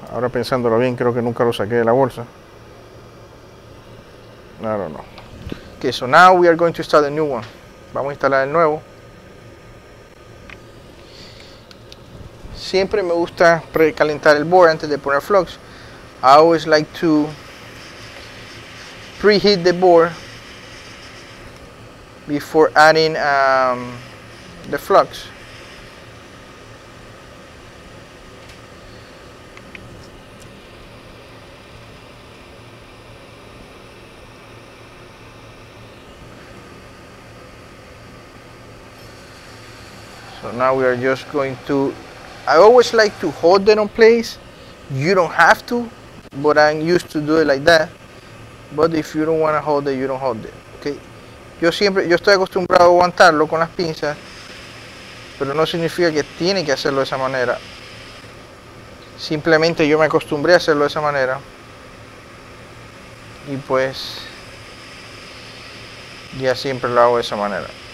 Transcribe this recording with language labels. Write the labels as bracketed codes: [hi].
[es] Ahora pensándolo bien, creo que nunca lo saqué de la bolsa. [en] I don't know. Okay, so now we are going to install a new one. [es] Vamos a instalar el nuevo. Siempre me gusta precalentar el board antes de poner flux. [en] I always like to preheat the board before adding the flux. So now we are just going to, I always like to hold it on place. You don't have to, but I'm used to do it like that. But if you don't want to hold it, you don't hold it. Okay. [es] Yo estoy acostumbrado a aguantarlo con las pinzas. Pero no significa que tiene que hacerlo de esa manera. Simplemente yo me acostumbré a hacerlo de esa manera. Y pues ya siempre lo hago de esa manera.